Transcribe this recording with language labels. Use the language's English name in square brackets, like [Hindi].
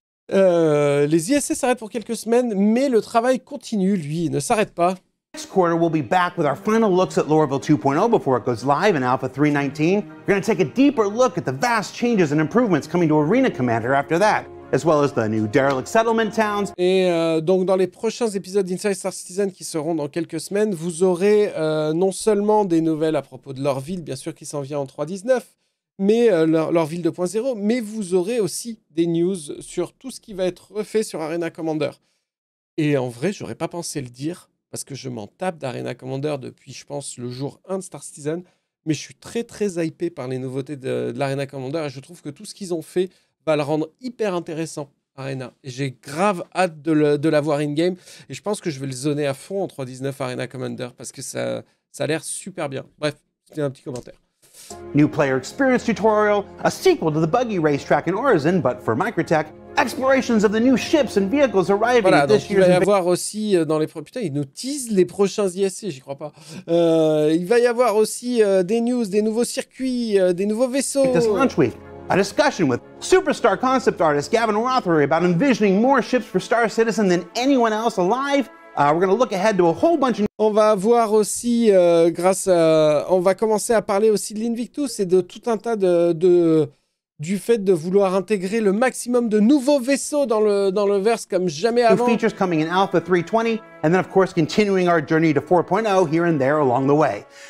[French] Les ISC s'arrêtent pour quelques semaines, mais le travail continue, lui, ne s'arrête pas. [English] Next quarter, we'll be back with our final looks at Lorville 2.0 before it goes live in Alpha 319. We're going to take a deeper look at the vast changes and improvements coming to Arena Commander after that, as well as the new derelict settlement towns. [French] Et donc, dans les prochains épisodes d'Inside Star Citizen qui seront dans quelques semaines, vous aurez non seulement des nouvelles à propos de leur ville, bien sûr, qui s'en vient en 3.19, mais leur ville 2.0, mais vous aurez aussi des news sur tout ce qui va être refait sur Arena Commander. Et en vrai, j'aurais pas pensé le dire, parce que je m'en tape d'Arena Commander depuis, je pense, le jour 1 de Star Citizen, mais je suis très très hypé par les nouveautés de l'Arena Commander, et je trouve que tout ce qu'ils ont fait va le rendre hyper intéressant, Arena. Et j'ai grave hâte de l'avoir in-game, et je pense que je vais le zoner à fond en 3.19 Arena Commander, parce que ça a l'air super bien. Bref, c'était un petit commentaire. [English] New player experience tutorial, a sequel to the buggy racetrack in Orizon, but for Microtech, explorations of the new ships and vehicles arriving [French] voilà, [English] this year. [French] Il va y avoir aussi dans les putain, ils nous teasent les prochains ISC, j'y crois pas. Il va y avoir aussi des news, des nouveaux circuits, des nouveaux vaisseaux. [English] This launch week, a discussion with superstar concept artist Gavin Rothery about envisioning more ships for Star Citizen than anyone else alive. We're going to look ahead to a whole bunch of... [French] On va avoir aussi, on va commencer à parler aussi de l'Invictus et de tout un tas du fait de vouloir intégrer le maximum de nouveaux vaisseaux dans le verse comme jamais avant. [English] New features coming in Alpha 320, and then of course continuing our journey to 4.0 here and there along the way.